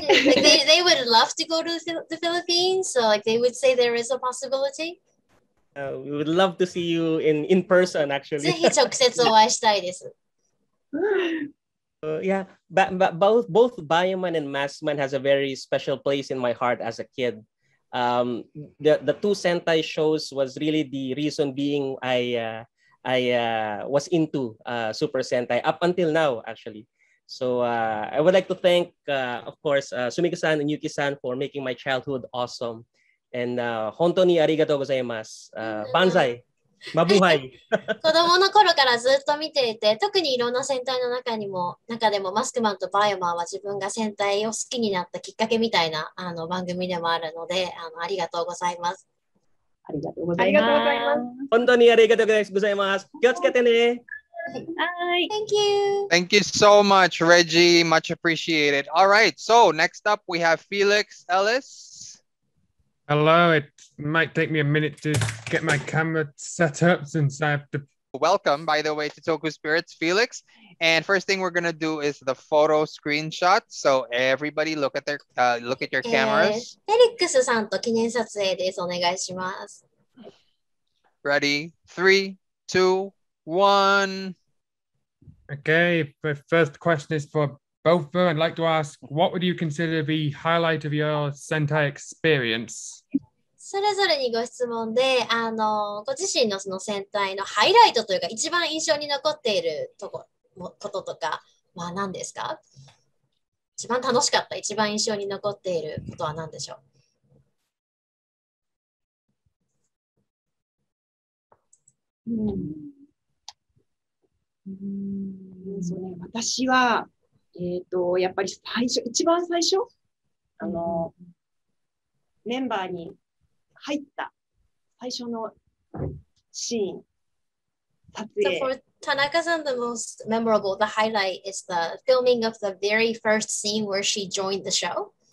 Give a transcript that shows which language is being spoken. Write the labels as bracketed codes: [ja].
[en] Like they would love to go to the Philippines, so like they would say there is a possibility. We would love to see you in person, actually. [ja] ぜひ直接お会いしたいです。 [en] yeah, but both Bioman and Maskman has a very special place in my heart as a kid. The two Sentai shows was really the reason being I was into Super Sentai up until now, actually. So I would like to thank, of course, Sumiko-san and Yuki-san for making my childhood awesome. [ja] And hontou ni arigatou gozaimasu. Banzai. Mabuhay. 子供の頃からずっと見ていて、特にいろんな戦隊の中でもマスクマンとバイオマンは自分が戦隊を好きになったきっかけみたいな番組でもあるので、ありがとうございます。ありがとうございます。本当にありがとうございます。気をつけてね。はい。 [en] Thank you. Thank you so much, Reggie. Much appreciated. All right. So next up, we have Felix Ellis. Hello. It might take me a minute to get my camera set up since I have to. Welcome, by the way, to TokuSpirits, Felix. And first thing we're gonna do is the photo screenshot. So everybody, look at their look at your cameras. [ja] Felix-san と記念撮影です。お願いします。 [en] Ready? 3, 2, 1. Okay. The first question is for both of you. I'd like to ask, what would you consider the highlight of your Sentai experience? [ja] それぞれにご質問で、ご自身のその戦隊のハイライトというか一番印象に残っているとこ。こととか、まあ何ですか？一番楽しかった、一番印象に残っていることは何でしょう？そうね、私は、やっぱり最初、一番最初、メンバーに入った最初のシーン、撮影。 [en] Tanaka-san, the most memorable, the highlight is the filming of the very first scene where she joined the show.